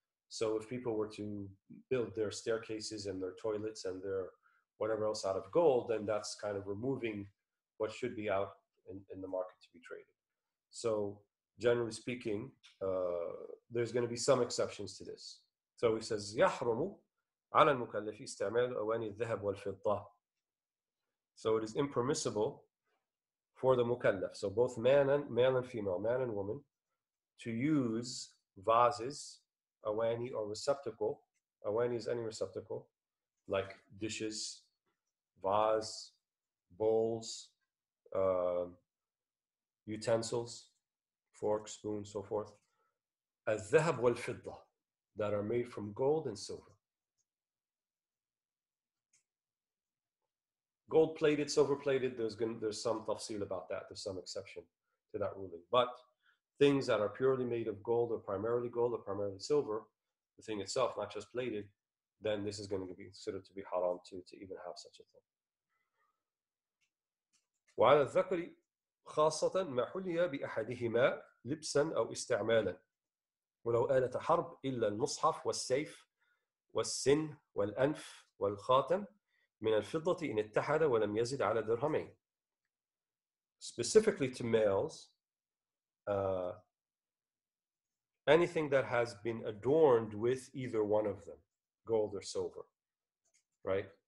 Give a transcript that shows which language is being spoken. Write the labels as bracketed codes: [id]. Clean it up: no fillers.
[en] So if people were to build their staircases and their toilets and their whatever else out of gold, then that's kind of removing what should be out in the market to be traded. So generally speaking, there's going to be some exceptions to this. [ar] So he says, يحرم على المكلف استعمال أواني الذهب والفضة. [en] So it is impermissible for the mukallaf, so both man and female, to use vases, awani or receptacle. Awani is any receptacle, like dishes, vase, bowls, utensils, forks, spoons, so forth. Al-dhahab wal-fidda, that are made from gold and silver. Gold-plated, silver-plated, there's some tafsir about that. There's some exception to that ruling. But things that are purely made of gold or primarily silver, the thing itself, not just plated, then this is going to be considered to be haram to even have such a thing. [ar] وعلى الذكر خاصة ما حلي بأحدهما لبسا أو استعمالا ولو آلة حرب إلا المصحف والسيف والسن والأنف والخاتم من الفضة إن اتحد ولم يزد على درهمين. [en] Specifically to males, anything that has been adorned with either one of them, gold or silver, right?